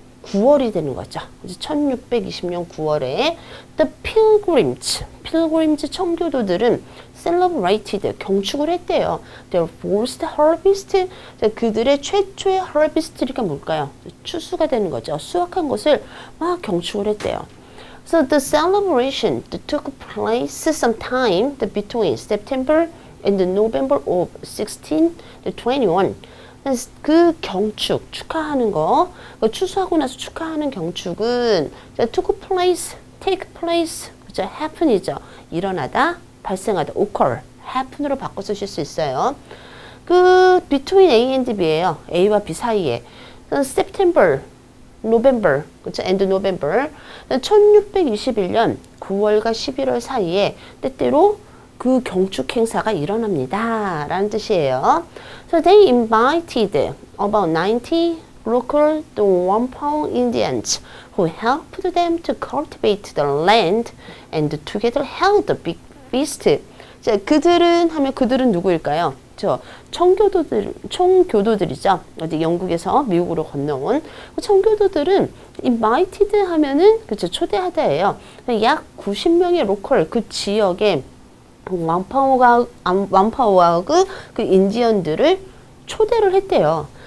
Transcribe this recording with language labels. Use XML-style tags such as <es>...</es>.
<ko>9월이 되는 거죠. 이제 1620년 9월에</ko> <en>The Pilgrims,</en> <ko>Pilgrims 청교도들은 celebrated, 경축을 했대요.</ko> <en>Their first harvest,</en> <ko>그들의 최초의 harvest가 뭘까요? 추수가 되는 거죠. 수확한 것을 막 경축을 했대요.</ko> <en>So the celebration took place sometime between September and November of 1621.</en> <ko>그 경축, 축하하는 거, 추수하고 나서 축하하는 경축은 took place, take place, 그렇죠? happen이죠. 일어나다, 발생하다, occur, happen으로 바꿔 쓰실 수 있어요. 그</ko> <en>between A and B</en> <ko>예요. A와 B 사이에. September, November, 그렇죠?</ko> <en>and November.</en> <ko>1621년 9월과 11월 사이에 때때로 그 경축 행사가 일어납니다. 라는 뜻이에요.</ko> <en>So they invited about 90 local Wampanoag Indians who helped them to cultivate the land and together held a big feast.</en> <ko>자, 그들은 하면 그들은 누구일까요? 저 청교도들, 청교도들이죠. 어디 영국에서 미국으로 건너온 청교도들은 invited 하면은 그쵸, 초대하다예요. 약 90명의 로컬 그 지역에 완파오아그 그 인디언들을 초대를 했대요.</ko>